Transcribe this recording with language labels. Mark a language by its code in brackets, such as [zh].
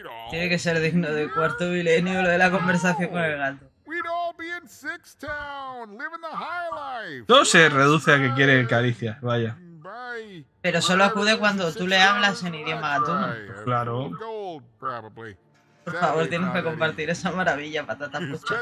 [es] Tiene que ser digno del cuarto milenio lo de la conversación con el gato. [en] We'd all be in Sixth Town, living the high life. [es] Todo se reduce a que quiere caricia, vaya. Pero solo acude cuando tú le hablas en idioma gatuno. Claro. Por favor, tienes que compartir esa maravilla, patata pucha.